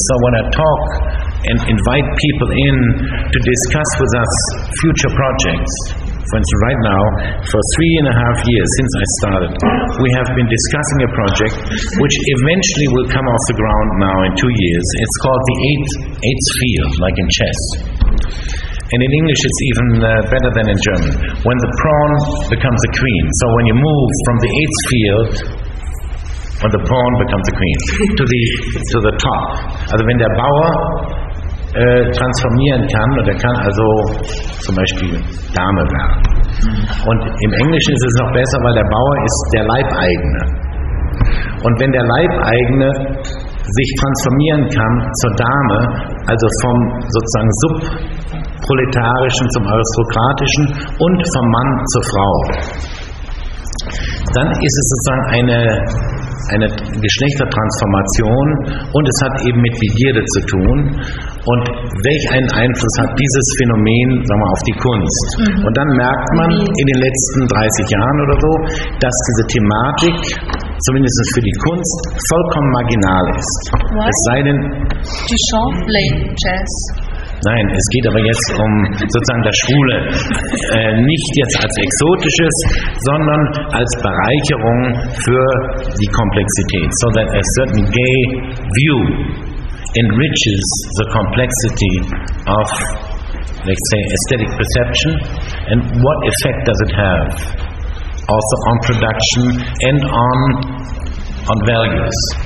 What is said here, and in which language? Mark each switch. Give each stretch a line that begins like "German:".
English: So when I talk and invite people in to discuss with us future projects, for instance, right now, for 3.5 years since I started, we have been discussing a project which eventually will come off the ground now in 2 years. It's called the eighth field, like in chess. And in English, it's even better than in German. When the pawn becomes a queen. So when you move from the eighth field, when the pawn becomes a queen, to the top.
German: Also wenn der Bauer transformieren kann, oder kann also zum Beispiel Dame werden. Und im Englischen ist es noch besser, weil der Bauer ist der Leibeigene. Und wenn der Leibeigene sich transformieren kann zur Dame, also vom sozusagen Subproletarischen zum Aristokratischen und vom Mann zur Frau, dann ist es sozusagen eine Geschlechtertransformation, und es hat eben mit Begierde zu tun. Und welch einen Einfluss hat dieses Phänomen, sagen wir, auf die Kunst? Mhm. Und dann merkt man in den letzten 30 Jahren oder so, dass diese Thematik, zumindest für die Kunst, vollkommen marginal ist.
English: What?
German: Es sei denn...
English: Duchamp played jazz.
German: Nein, es geht aber jetzt um sozusagen das Schwule. Nicht jetzt als Exotisches, sondern als Bereicherung für die Komplexität.
English: So that a certain gay view enriches the complexity of let's say, aesthetic perception, and what effect does it have also on production and on values?